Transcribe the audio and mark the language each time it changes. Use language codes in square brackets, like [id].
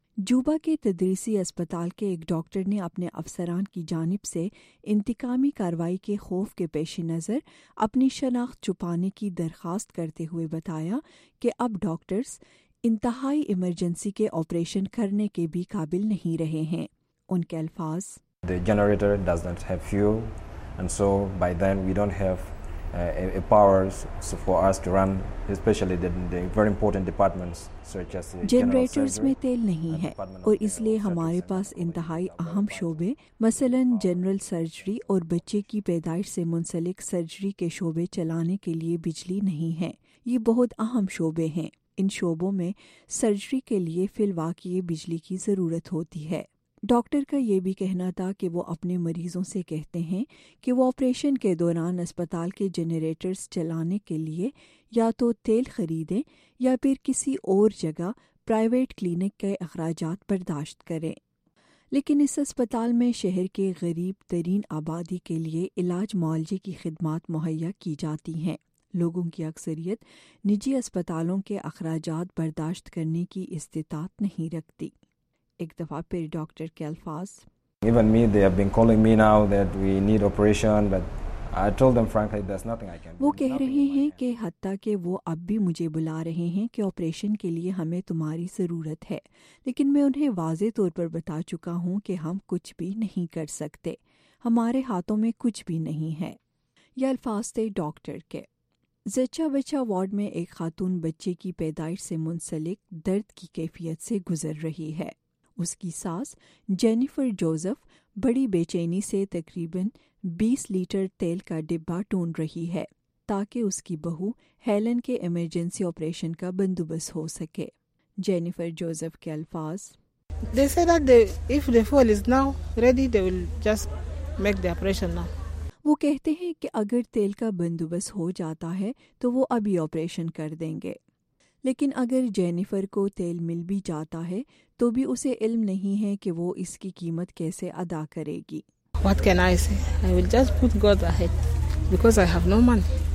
[ur] جوبا کے تدریسی اسپتال کے ایک ڈاکٹر نے اپنے افسران کی جانب سے انتقامی کارروائی کے خوف کے پیش نظر اپنی شناخت چھپانے کی درخواست کرتے ہوئے بتایا کہ اب ڈاکٹرز انتہائی ایمرجنسی کے آپریشن کرنے کے بھی قابل نہیں رہے ہیں. ان کے الفاظ, [en] The generator does not have fuel and so by then we don't have a powers so for us to run especially the very important departments such as [ur] generators میں تیل نہیں ہے, اور اس لیے ہمارے پاس انتہائی اہم شعبے مثلا جنرل سرجری اور بچے کی پیدائش سے منسلک سرجری کے شعبے چلانے کے لیے بجلی نہیں ہے. یہ بہت اہم شعبے ہیں. ان شعبوں میں سرجری کے لیے فی الواقع بجلی کی ضرورت ہوتی ہے. ڈاکٹر کا یہ بھی کہنا تھا کہ وہ اپنے مریضوں سے کہتے ہیں کہ وہ آپریشن کے دوران اسپتال کے جنریٹرز چلانے کے لیے یا تو تیل خریدیں یا پھر کسی اور جگہ پرائیویٹ کلینک کے اخراجات برداشت کریں. لیکن اس اسپتال میں شہر کے غریب ترین آبادی کے لیے علاج معالجے کی خدمات مہیا کی جاتی ہیں. لوگوں کی اکثریت نجی اسپتالوں کے اخراجات برداشت کرنے کی استطاعت نہیں رکھتی. ایک دفعہ پھر ڈاکٹر کے الفاظ, [en] Even me, they have been calling me now that we need operation, but I told them frankly, there's nothing I can do. [ur] وہ کہہ رہے ہیں کہ حتیٰ کہ وہ اب بھی مجھے بلا رہے ہیں کہ آپریشن کے لیے ہمیں تمہاری ضرورت ہے, لیکن میں انہیں واضح طور پر بتا چکا ہوں کہ ہم کچھ بھی نہیں کر سکتے, ہمارے ہاتھوں میں کچھ بھی نہیں ہے. یہ الفاظ تھے ڈاکٹر کے. زچا بچا وارڈ میں ایک خاتون بچے کی پیدائش سے منسلک درد کی کیفیت سے گزر رہی ہے. اس کی ساس جینیفر جوزف بڑی بے چینی سے تقریباً 20 لیٹر تیل کا ڈبا ٹونڈ رہی ہے تاکہ اس کی بہو ہیلن کے ایمرجنسی آپریشن کا بندوبست ہو سکے. جینیفر جوزف کے الفاظ, [en] They say that they, if the fuel is now ready, they will just make the operation now. [ur] وہ کہتے ہیں کہ اگر تیل کا بندوبست ہو جاتا ہے تو وہ ابھی آپریشن کر دیں گے. لیکن اگر جینیفر کو تیل مل بھی جاتا ہے تو بھی اسے علم نہیں ہے کہ وہ اس کی قیمت کیسے ادا کرے گی. [en] What can I say? I will just put God ahead because I have no money.